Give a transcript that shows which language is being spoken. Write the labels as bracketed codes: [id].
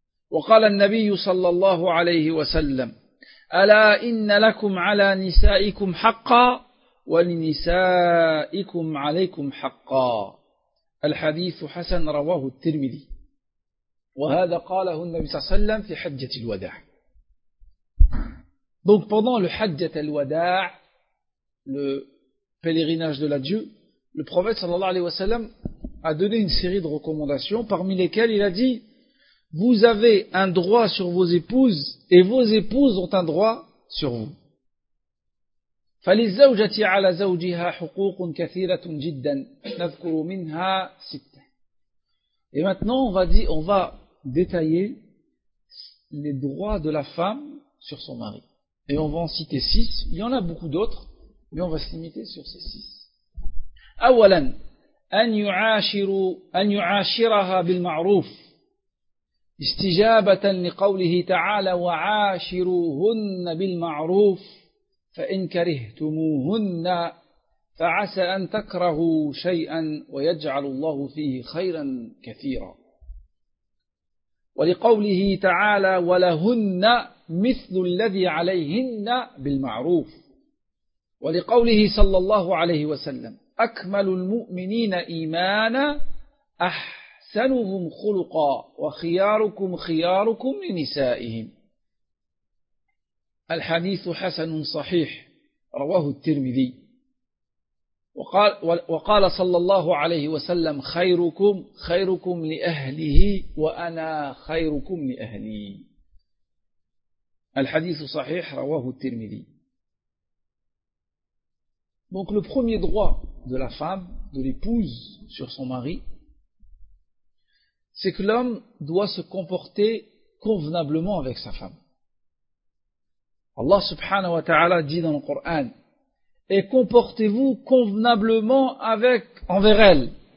[ar] وقال النبي صلى الله عليه وسلم ألا إن لكم على نسائكم حقا ولنسائكم عليكم حقا الحديث حسن رواه الترمذي وهذا قاله النبي صلى الله عليه وسلم في حجة الوداع. [fr] Donc pendant le حجة الوداع, le pèlerinage de l'adieu, le prophète صلى الله عليه وسلم a donné une série de recommandations parmi lesquelles il a dit: vous avez un droit sur vos épouses et vos épouses ont un droit sur vous. [ar] فَلِلْزَوْجَةِ عَلَى زَوْجِهَا حُقُوقٌ كَثِيرَةٌ جِدًّا نَذْكُرُ مِنْهَا سِتَّةٌ. [fr] Et maintenant, on va détailler les droits de la femme sur son mari. Et on va en citer six. Il y en a beaucoup d'autres, mais on va se limiter sur ces six. [ar] أَوَلًا أَنْ يُعَاشِرَهَا بِالْمَعْرُوفِ استجابة لقوله تعالى وعاشروهن بالمعروف فإن كرهتموهن فعسى أن تكرهوا شيئا ويجعل الله فيه خيرا كثيرا ولقوله تعالى ولهن مثل الذي عليهن بالمعروف ولقوله صلى الله عليه وسلم أكمل المؤمنين إيمانا سنهم خلقا وخياركم خياركم لنسائهم الحديث حسن صحيح رواه الترمذي وقال صلى الله عليه وسلم خيركم خيركم لأهله وأنا خيركم لأهلي الحديث صحيح رواه الترمذي. [fr] Donc le premier droit de la femme, de l'épouse sur son mari, c'est que l'homme doit se comporter convenablement avec sa femme. Allah subhanahu wa ta'ala dit dans le Coran, et comportez-vous convenablement envers elle.